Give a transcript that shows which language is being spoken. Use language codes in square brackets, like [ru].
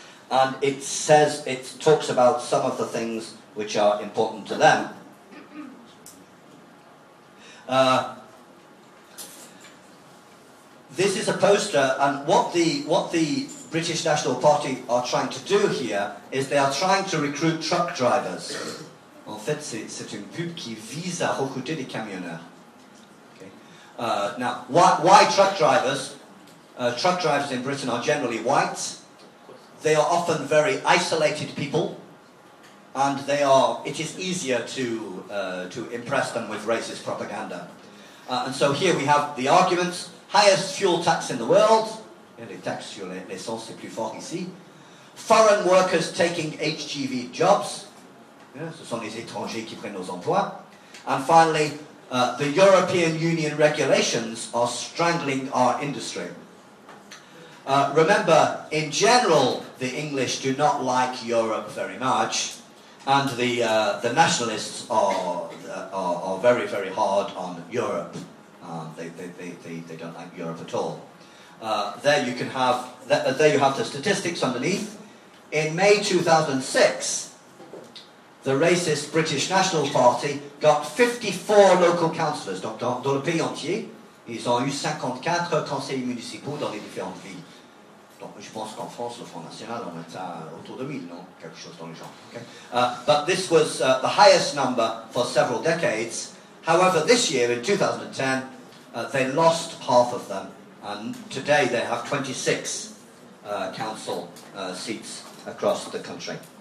[en] And it says, it talks about some of the things which are important to them. This is a poster, and what the British National Party are trying to do here is they are trying to recruit truck drivers. [fr] En fait, c'est une pub qui vise à recruter des camionneurs. [en] Okay. Now, why truck drivers? Truck drivers in Britain are generally white. They are often very isolated people, and it is easier to impress them with racist propaganda. And so here we have the arguments. Highest fuel tax in the world. [fr] Les taxes sur l'essence c'est plus fort ici. [en] Foreign workers taking HGV jobs. [fr] Yeah, ce sont les étrangers qui prennent nos emplois. [en] And finally, the European Union regulations are strangling our industry. Remember, in general, the English do not like Europe very much, and the nationalists are very, very hard on Europe. They don't like Europe at all. There you have the statistics underneath. In May 2006, the racist British National Party got 54 local councillors. [fr] Donc dans le pays entier, ils ont eu 54 conseillers municipaux dans les différentes villes. Donc je pense qu'en France, le Front National, on est à autour de 1000, non? Quelque chose dans le genre. Okay. [en] But this was the highest number for several decades. However, this year, in 2010, they lost half of them. And today they have 26 council seats across the country.